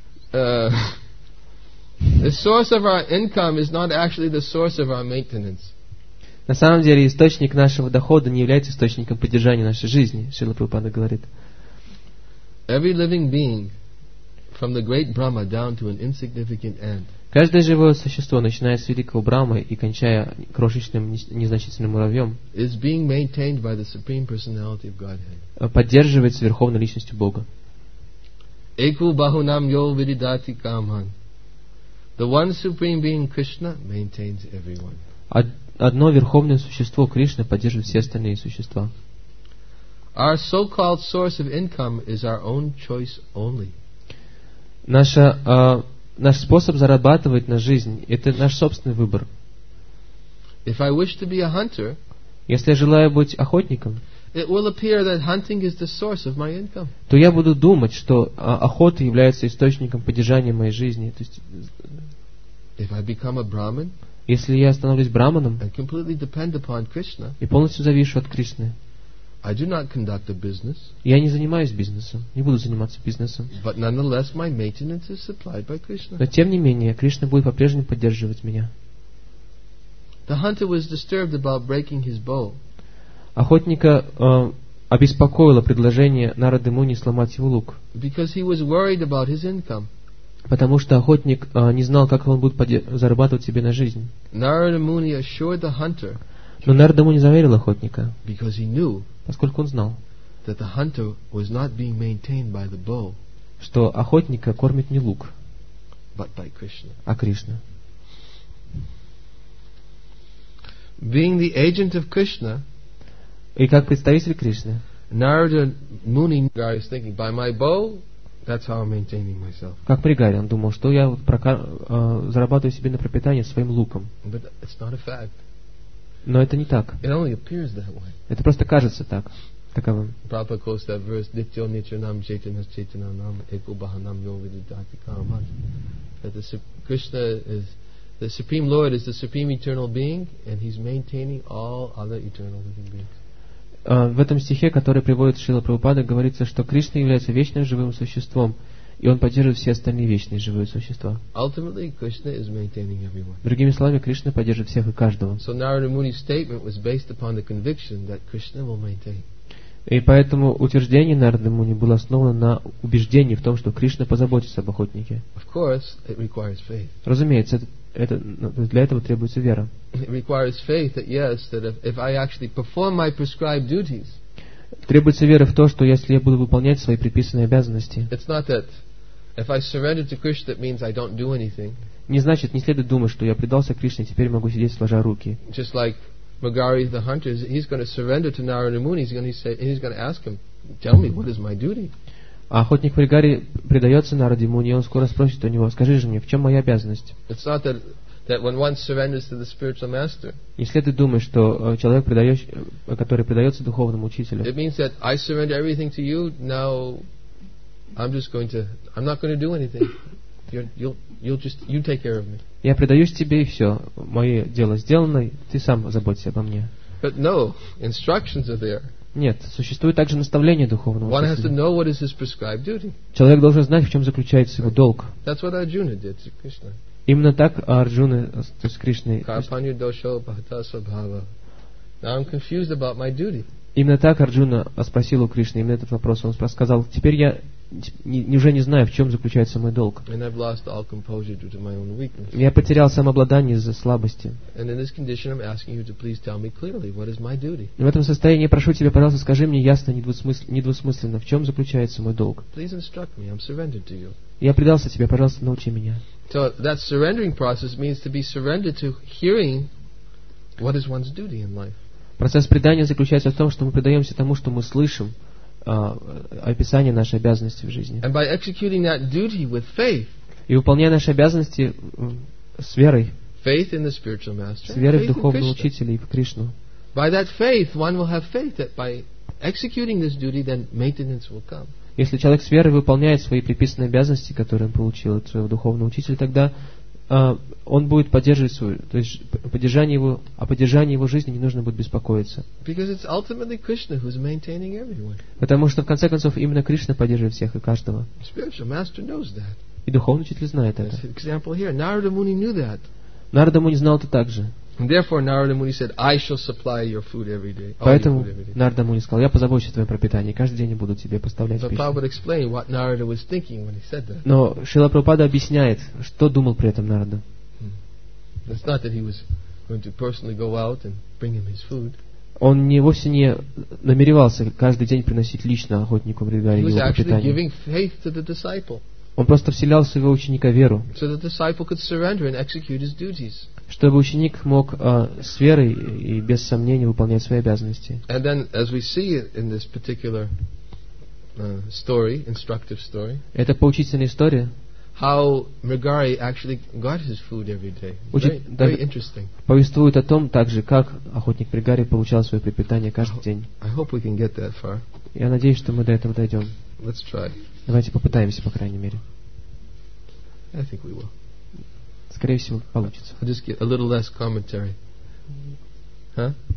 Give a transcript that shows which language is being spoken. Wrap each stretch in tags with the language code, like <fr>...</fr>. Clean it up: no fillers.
<en>The source of our income is not actually the source of our maintenance.</en> <ru>На самом деле, источник нашего дохода не является источником поддержания нашей жизни, Шрила Прабхупада говорит.</ru> <en>Every living being, from the great Brahma down to an insignificant ant.</en> <ru>Каждое живое существо, начиная с великого Брахмы и кончая крошечным незначительным муравьем,</ru> <en>is being maintained by the supreme personality of Godhead.</en> <ru>Поддерживается верховной личностью Бога.</ru> <sa>Eku bahunam yo viridati kaman.</sa> <en>The one supreme being Krishna maintains everyone.</en> <ru>Одно верховное существо Кришна поддерживает все остальные существа.</ru> <en>Our so-called source of income is our own choice only.</en> <ru>Наш способ зарабатывать на жизнь — это наш собственный выбор.</ru> <en>If I wish to be a hunter,</en> <ru>если я желаю быть охотником,</ru> <en>it will appear that hunting is the source of my income.</en> <ru>То я буду думать, что охота является источником поддержания моей жизни. То есть,</ru> <en>if I become a Brahmin,</en> <ru>если я становлюсь брахманом,</ru> <en>and completely depend upon Krishna,</en> <ru>и полностью завишу от Кришны,</ru> <en>I do not conduct a business,</en> <ru>я не занимаюсь бизнесом, не буду заниматься бизнесом.</ru> <en>But nonetheless, my maintenance is supplied by Krishna.</en> <ru>Но тем не менее, Кришна будет по-прежнему поддерживать меня.</ru> <en>The hunter was disturbed about breaking his bow.</en> <ru>Охотника обеспокоило предложение Нарады Муни сломать его лук.</ru> <en>Because he was worried about his income.</en> <ru>Потому что охотник не знал, как он будет зарабатывать себе на жизнь.</ru> <en>Narada Muni assured the hunter,</en> <ru>но Нарада Муни заверил охотника,</ru> <en>because he knew,</en> <ru>поскольку он знал,</ru> <en>that the hunter was not being maintained by the bow,</en> <ru>что охотника кормит не лук,</ru> <en>but by Krishna.</en> <ru>А Кришна.</ru> <en>Being the agent of Krishna,</en> <ru>и как представитель Кришны,</ru> <en>Narada Muni was thinking, by my bow, that's how I'm maintaining myself.</en> <ru>Как Пригари, он думал, что я зарабатываю себе на пропитание своим луком.</ru> <en>But it's not a fact.</en> <ru>Но это не так.</ru> <en>It only appears that way.</en> <ru>Это просто кажется так, таковым.</ru> <en>Prabhupada quotes that verse:</en> <sa>"Nityo nityanam jetanas jetananam eku bahanam yo vididati kaman."</sa> <en>That the supreme Lord is the supreme eternal being, and he's maintaining all other eternal living beings.</en> <ru>В этом стихе, который приводит Шрила Прабхупада, говорится, что Кришна является вечным живым существом, и он поддерживает все остальные вечные живые существа.</ru> <en>Ultimately, Krishna is maintaining everyone.</en> <ru>Другими словами, Кришна поддерживает всех и каждого.</ru> <en>So Narada Muni's statement was based upon the conviction that Krishna will maintain.</en> <ru>И поэтому утверждение Нарады Муни было основано на убеждении в том, что Кришна позаботится об охотнике.</ru> <en>Of course, it requires faith.</en> <ru>Разумеется, это для этого требуется вера.</ru> <en>It requires faith that yes, that if I actually perform my prescribed duties.</en> <ru>Требуется вера в то, что если я буду выполнять свои предписанные обязанности.</ru> <en>It's not that if I surrender to Krishna, that means I don't do anything.</en> <ru>Не значит, не следует думать, что я предался Кришне, теперь могу сидеть сложа руки.</ru> <en>Just like Magari the hunter, he's going to surrender to Narada Muni. He's going to ask him, tell me, what is my duty?</en> <ru>А охотник Магари предается Нараде Муни, и он скоро спросит у него: скажи же мне, в чем моя обязанность?</ru> <en>It's not that when one surrenders to the spiritual master.</en> <ru>Если ты думаешь, что человек, который предается духовному учителю,</ru> <en>it means that I surrender everything to you. Now I'm not going to do anything. You take care of me.</en> <ru>Я предаюсь тебе, и все. Мое дело сделано, ты сам заботься обо мне.</ru> <en>But no, instructions are there.</en> <ru>Нет, существует также наставление духовного</ru> <en>One has to know what is his prescribed duty.</en> <ru>Человек должен знать, в чем заключается его долг.</ru> <en>That's what Arjuna did to Krishna.</en> <ru>Именно так Арджуна с Кришной.</ru> <sa>Карпанья доша бхата свабхава.</sa> <en>Now I'm confused about my duty.</en> <ru>Именно так Арджуна спросил у Кришны, именно этот вопрос он сказал: теперь я уже не знаю, в чем заключается мой долг.</ru> <en>And I've lost all composure due to my own weakness.</en> <ru>Я потерял самообладание из-за слабости.</ru> <en>And in this condition, I'm asking you to please tell me clearly what is my duty.</en> <ru>В этом состоянии я прошу тебя, пожалуйста, скажи мне ясно, недвусмысленно, в чем заключается мой долг.</ru> <en>Please instruct me. I'm surrendered to you.</en> <ru>Я предался тебе, пожалуйста, научи меня.</ru> <en>So that surrendering process means to be surrendered to hearing what is one's duty in life.</en> <ru>Процесс предания заключается в том, что мы предаемся тому, что мы слышим, описание нашей обязанности в жизни.</ru> <en>And by executing that duty with faith,</en> <ru>и выполняя наши обязанности с верой,</ru> <en>faith in the spiritual master,</en> <ru>с верой в духовного учителя и в Кришну,</ru> <en>by that faith, one will have faith that by executing this duty, then maintenance will come.</en> <ru>Если человек с верой выполняет свои приписанные обязанности, которые он получил от своего духовного учителя, тогда он будет поддерживать свою, то есть поддержание его, о поддержании его жизни не нужно будет беспокоиться.</ru> <en>Because it's ultimately Krishna who's maintaining everyone.</en> <ru>Потому что в конце концов именно Кришна поддерживает всех и каждого.</ru> <en>Spiritual master knows that.</en> <ru>И духовный учитель знает это.</ru> <en>That's an example here. Narada Muni knew that.</en> <ru>Narada Muni знал это также.</ru> <en>And therefore, Narada Muni said, "I shall supply your food every day."</en> <ru>Поэтому Нарада Муни сказал, я позабочусь о твоем пропитании, каждый день я буду тебе поставлять пищу.</ru> <en>But Prabhupada explained what Narada was thinking when he said that.</en> <ru>Но Шрила Прабхупада объясняет, что думал при этом Нарада.</ru> <en>It's not that he was going to personally go out and bring him his food.</en> <ru>Он не вовсе не намеревался каждый день приносить лично охотнику Мридгари его пропитание.</ru> <en>He was actually giving faith to the disciple.</en> <ru>Он просто вселял в своего ученика веру.</ru> <en>So the disciple could surrender and execute his duties.</en> <ru>Чтобы ученик мог с верой и без сомнений выполнять свои обязанности.</ru> <en>And then, as we see in this particular story, instructive story.</en> <ru>Это поучительная история.</ru> <en>How Mrigari actually got his food every day. Very interesting.</en> <ru>Повествует о том также, как охотник Мригари получал свое пропитание каждый день.</ru> <en>I hope we can get that far.</en> <ru>Я надеюсь, что мы до этого дойдем.</ru> <en>Let's try.</en> <ru>Давайте попытаемся, по крайней мере.</ru> <en>I think we will.</en> <ru>Скорее всего, получится.</ru> <en>I'll just get a little less commentary. Huh?</en>